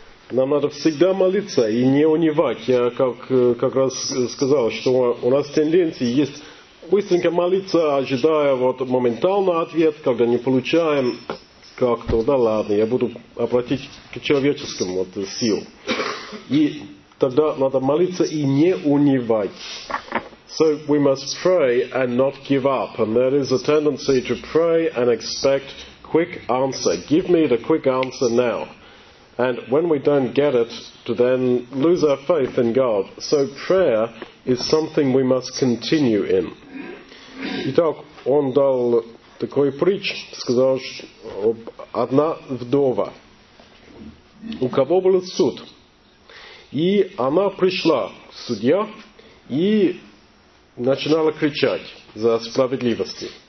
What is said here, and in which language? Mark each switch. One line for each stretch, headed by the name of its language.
Russian: Нам надо всегда молиться и не унывать. Я как раз сказал, что у нас тенденция есть быстренько молиться, ожидая вот моментально ответ, когда не получаем, как-то, да ладно, я буду обратить к человеческому вот, силу. И тогда надо молиться и не унывать.
English: So we must pray and not give up. And there is a tendency to pray and expect quick answer. Give me the quick answer now. And when we don't get it, to then lose our faith in God. So prayer is something we must continue in.
Russian: Итак, он дал такой притч, сказал, что одна вдова, у кого был суд. И она пришла к судье и начинала кричать за справедливости.